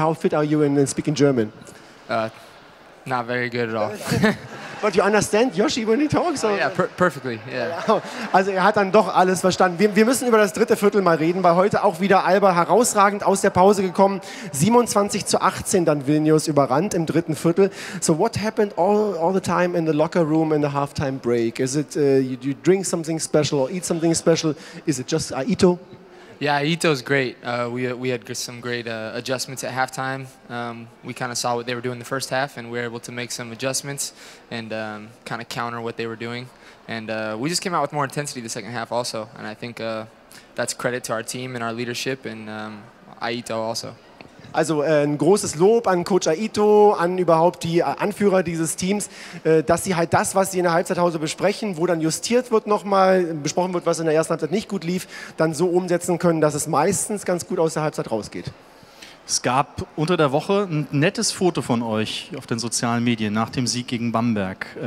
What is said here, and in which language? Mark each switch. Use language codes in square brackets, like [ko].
[en] How fit are you in speaking German? Not very good at all. But you understand Yoshi when he talks? Or? Yeah, perfectly. Yeah. [de] Also er hat dann doch alles verstanden. Wir müssen über das dritte Viertel mal reden, weil heute auch wieder Alba herausragend aus der Pause gekommen. 27-18 dann Vilnius überrannt im dritten Viertel. [en] So what happened all the time in the locker room in the halftime break? Is it you drink something special or eat something special? Is it just Aito? Yeah, Aito is great. We had some great adjustments at halftime. We kind of saw what they were doing in the first half, and we were able to make some adjustments and kind of counter what they were doing. And we just came out with more intensity the second half also, and I think that's credit to our team and our leadership and Aito also. [de] Also ein großes Lob an Coach Aito, an überhaupt die Anführer dieses Teams, dass sie halt das, was sie in der Halbzeithause besprechen, wo dann justiert wird nochmal, besprochen wird, was in der ersten Halbzeit nicht gut lief, dann so umsetzen können, dass es meistens ganz gut aus der Halbzeit rausgeht. Es gab unter der Woche ein nettes Foto von euch auf den sozialen Medien nach dem Sieg gegen Bamberg.